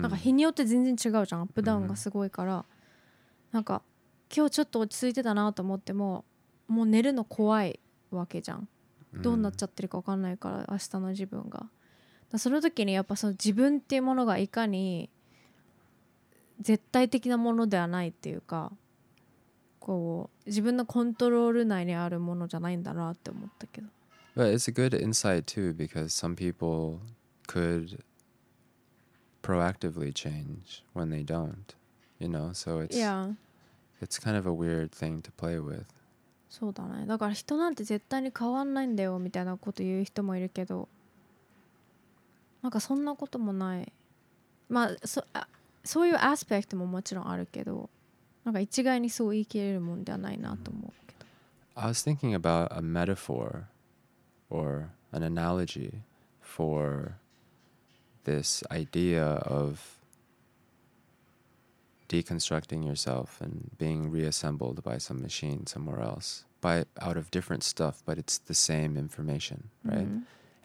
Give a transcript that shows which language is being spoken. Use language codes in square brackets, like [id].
[ja] なんか日によって全然違うじゃん、アップダウンがすごいから、mm-hmm. なんか今日ちょっと落ち着いてたなと思ってももう寝るの怖いわけじゃん、どうなっちゃってるか分かんないから明日の自分が、だその時にやっぱその自分っていうものがいかに絶対的なものではないっていうか、こう自分のコントロール内にあるものじゃないんだなって思ったけど。 [en] But it's a good insight too, because some people could proactively change when they don't, you know? So it's, yeah. it's kind of a weird thing to play with. [ja] そうだね。だから人なんて絶対に変わんないんだよみたいなこと言う人もいるけど、なんかそんなこともない。まあ、そういうアスペクトももちろんあるけど、なんか一概にそう言い切れるもんではないなと思うけど。 [en] I was thinking about a metaphor or an analogy for this idea of deconstructing yourself and being reassembled by some machine somewhere else, by out of different stuff, but it's the same information, right? Mm-hmm.